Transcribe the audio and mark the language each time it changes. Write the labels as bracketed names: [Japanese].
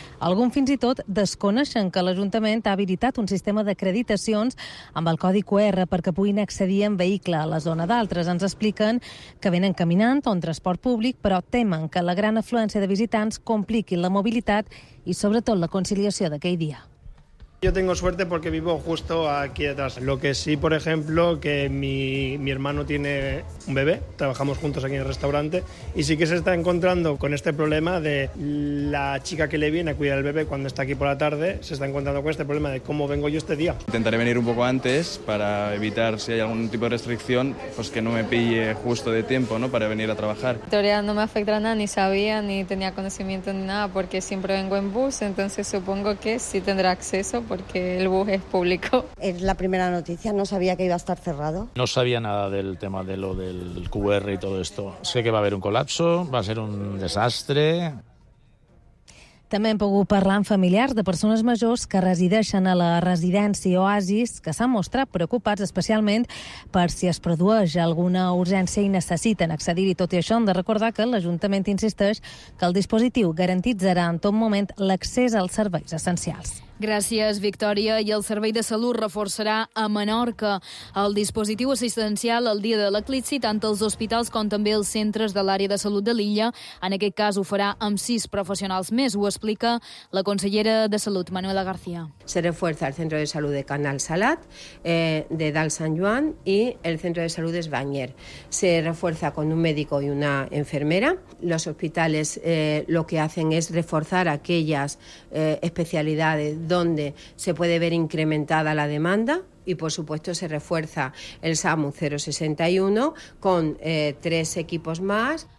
[Catalan] Alguns fins i tot desconeixen que l'Ajuntament ha habilitat un sistema d'acreditacions amb el codi QR perquè puguin accedir en vehicle a la zona. D'altres ens expliquen que venen caminant o en transport públic, però temen que la gran afluència de visitants compliqui la mobilitat i sobretot la conciliació d'aquell dia. [Spanish] Yo tengo suerte porque vivo justo aquí detrás. Lo que sí, por ejemplo, que mi hermano tiene un bebé, trabajamos juntos aquí en el restaurante, y sí que se está encontrando con este problema de la chica que le viene a cuidar al bebé cuando está aquí por la tarde, se está encontrando con este problema de cómo vengo yo este día. Intentaré venir un poco antes para evitar, si hay algún tipo de restricción, pues que no me pille justo de tiempo, ¿no?, para venir a trabajar. En teoría no me afectará nada, ni sabía, ni tenía conocimiento ni nada, porque siempre vengo en bus, entonces supongo que sí tendrá acceso, porque el bus es público. Es la primera noticia, no sabía que iba a estar cerrado. No sabía nada del tema de lo del QR y todo esto. Sé que va a haber un colapso, va a ser un desastre. [Catalan] També hem pogut parlar amb familiars de persones majors que resideixen a la residència Oasis, que s'han mostrat preocupats especialment per si es produeix alguna urgència i necessiten accedir-hi. Tot i això, hem de recordar que l'Ajuntament insisteix que el dispositiu garantitzarà en tot moment l'accés als serveis essencials. Gràcies, Victòria. I el Servei de Salut reforçarà a Menorca el dispositiu assistencial el dia de l'eclipsi, tant als hospitals com també als centres de l'àrea de salut de l'illa. En aquest cas ho farà amb 6 professionals més, ho explica la consellera de Salut, Manuela García. [Spanish] Se refuerza el centro de salud de Canal Salat, de Dalt Sant Joan, y el centro de salud es Banyer. Se refuerza con un médico y una enfermera. Los hospitales lo que hacen es reforzar aquellas especialidades donde se puede ver incrementada la demanda y, por supuesto, se refuerza el SAMU 061 con 3 equipos más.